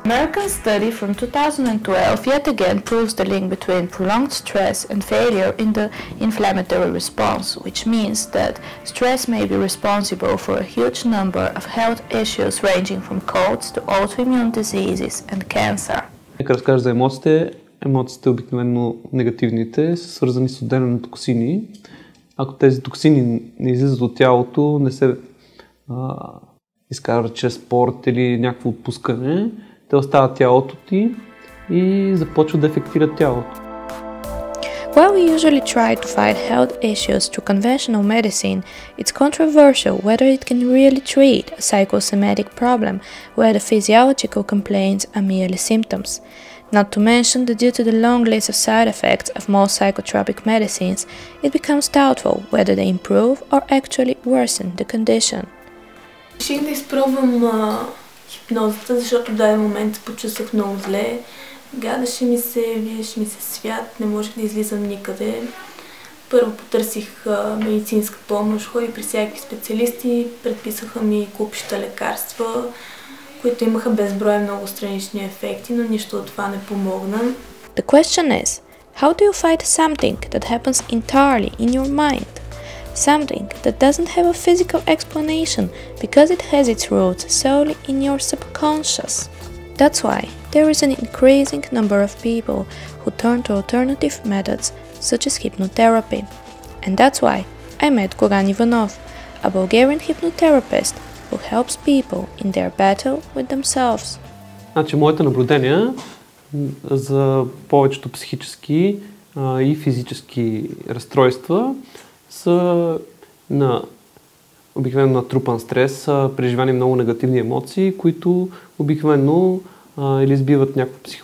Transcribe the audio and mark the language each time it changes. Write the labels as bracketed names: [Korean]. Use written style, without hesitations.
[English] American study from 2012 yet again proves the link between prolonged stress and failure in the inflammatory response, which means that stress may be responsible for a huge number of health issues ranging from colds to autoimmune diseases and cancer. [Bulgarian] Нека разкажа за емоциите. Емоциите, обикновено негативните, са свързани с отделяне на токсини. Ако тези токсини не излизат от тялото, не се изкарват чрез спорт или някакво отпускане, те остават тялото ти и започват да ефектират тялото. [English] While we usually try to fight health issues through conventional medicine, it's controversial whether it can really treat a psychosomatic problem where the physiological complaints are merely symptoms. Not to mention that due to the long list of side effects of most psychotropic medicines, it becomes doubtful whether they improve or actually worsen the condition. [Bulgarian] Реших да изпробвам хипнозата, защото в даден момент се почувствах много зле. Гадаше ми се, виеше ми се свят, не можех да излизам никъде. Първо потърсих медицинска помощ, ходих при всякакви специалисти, предписаха ми купища лекарства, които имаха безброя много странични ефекти, но нищо от това не помогна. [English] The question is, how do you fight something that happens entirely in your mind? Something that doesn't have a physical explanation because it has its roots solely in your subconscious. That's why there is an increasing number of people who turn to alternative methods such as hypnotherapy. And that's why I met Goran Ivanov, a Bulgarian hypnotherapist who helps people in their battle with themselves. [Bulgarian] Значи, моите наблюдения за повечето психически и физически разстройства са на обикновено натрупан стрес, преживяни много негативни емоции, които обикновено или сбиват някакво